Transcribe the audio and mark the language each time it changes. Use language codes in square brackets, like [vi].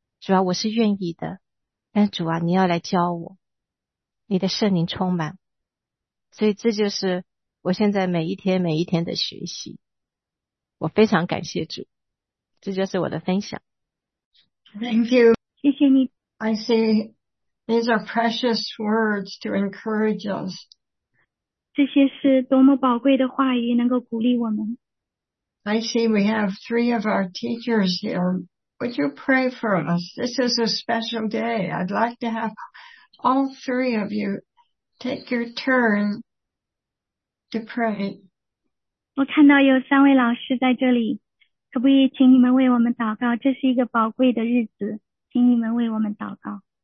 [zh] 主啊，我是愿意的，但主啊，你要来教我，你的圣灵充满。所以这就是我现在每一天每一天的学习。我非常感谢主，这就是我的分享。 [en] Thank you. [zh] 谢谢你。 [en] I see these are precious words to encourage us. [zh] 这些是多么宝贵的话语，能够鼓励我们。 [en] I see we have three of our teachers here. Would you pray for us? This is a special day. I'd like to have all three of you take your turn to pray. [zh] 我看到有三位老师在这里，可不可以请你们为我们祷告？这是一个宝贵的日子，请你们为我们祷告。